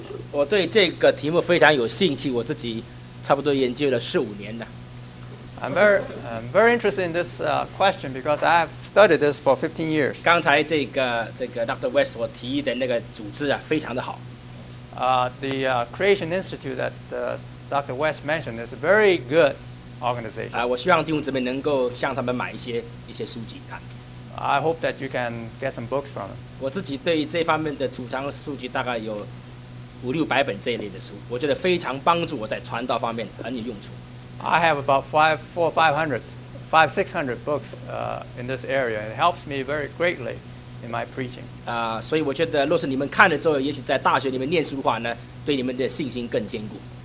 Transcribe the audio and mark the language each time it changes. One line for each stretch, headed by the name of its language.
Chinese: 我对这个题目非常有兴趣，我自己差不多研究了四五年了。
English: I'm very interested in this question because I've studied this for 15 years.
Chinese: 刚才这个 Dr. West 我提议的那个组织啊，非常的好。
English: The Creation Institute that Dr. West mentioned is a very good organization.
Chinese: 我希望弟兄姊妹能够向他们买一些书籍看。
English: I hope that you can get some books from them.
Chinese: 我自己对这方面的储藏书籍大概有五六百本这一类的书，我觉得非常帮助我在传道方面很有用处。
English: I have about five, six hundred books in this area. It helps me very greatly in my preaching.
Chinese: 所以我觉得，若是你们看了之后，也许在大学里面念书的话呢，对你们的信心更坚固。